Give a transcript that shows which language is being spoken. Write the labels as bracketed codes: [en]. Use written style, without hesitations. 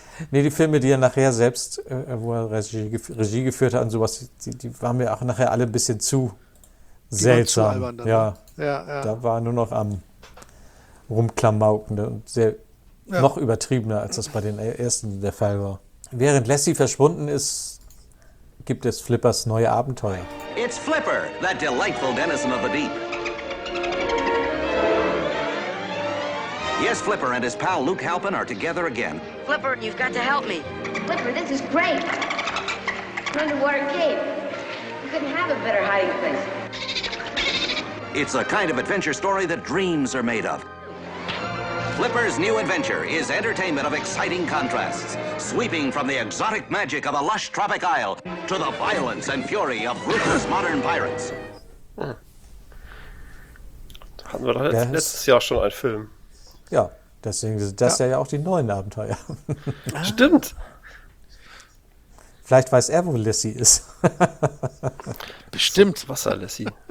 [de] Nee, die Filme, die er nachher selbst, wo er Regie geführt hat und sowas, die waren mir auch nachher alle ein bisschen zu die seltsam. Waren zu albern, ja. Da war er nur noch am Rumklamauken und sehr noch übertriebener, als das bei den ersten der Fall war. Während Lassie verschwunden ist, gibt es Flippers neue Abenteuer. [en] It's Flipper, that delightful denizen of the deep. Yes, Flipper and his pal Luke Halpin are together again. Flipper, you've got to help me. Flipper, this is great. An underwater cave. You couldn't have a better hiding place. It's a kind of adventure story that dreams are made of. Flipper's new adventure is entertainment of exciting contrasts, sweeping from the exotic magic of a lush tropic isle to the violence and fury of ruthless modern pirates. [de] Hatten wir doch letztes Jahr schon einen Film. Ja, deswegen sind das ja auch die neuen Abenteuer. Stimmt. Vielleicht weiß er, wo Lassie ist. Bestimmt. Wasser-Lassie.